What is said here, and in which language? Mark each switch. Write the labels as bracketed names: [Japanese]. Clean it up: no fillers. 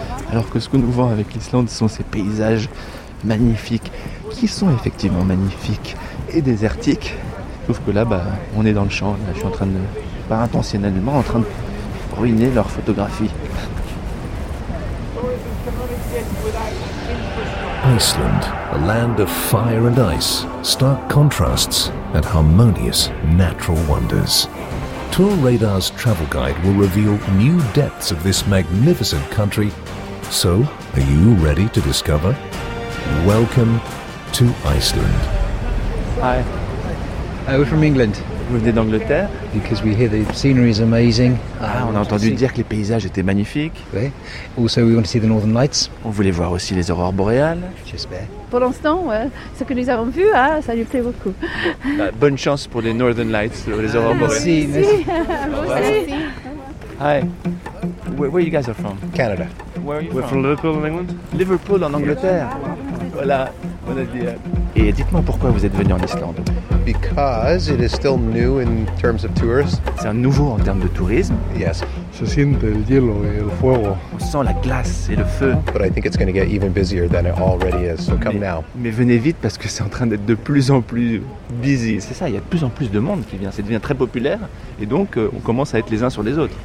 [French] Alors que ce qu'on nous vend avec l'Islande, ce sont ces paysages magnifiques, qui sont effectivement magnifiques et désertiques. Sauf que là, bah, on est dans le champ. Là, je suis en train de, pas intentionnellement, en train de ruiner leur photographie. [English] Iceland, a land of fire and ice, stark contrasts and harmonious natural wonders. Tour Radar's travel guide will reveal new depths of this magnificent country. So, are you ready to discover? Welcome to Iceland. Hi. Hi, we're from England. [French] Vous venez d'Angleterre? [English] Because we hear the scenery is amazing. [French] Ah, on a entendu dire que les paysages étaient magnifiques. Oui. [English] Also, we want to see the Northern Lights. [French] On voulait voir aussi les aurores boréales. J'espère. Pour l'instant, ouais, ce que nous avons vu, hein, ça lui plaît beaucoup. Bonne chance pour les [English] Northern Lights, [French] les aurores boréales. Merci. Merci. Merci. [English] Hi. Where are you guys are from? Canada. Where are you We're from? Liverpool in England. [French] Liverpool en Angleterre. [English] Yeah. [French] Voilà. On a dit. Et dites-moi pourquoi vous êtes venu en Islande. [English] Because it is still new in terms of tourists. [French] C'est un nouveau en termes de tourisme. [English] Yes. [Spanish] Se siente el hielo y el fuego. [French] On sent la glace et le feu. [English] But I think it's going to get even busier than it already is. So come now. [French] Mais venez vite parce que c'est en train d'être de plus en plus busy. C'est ça, il y a de plus en plus de monde qui vient. Ça devient très populaire et donc on commence à être les uns sur les autres.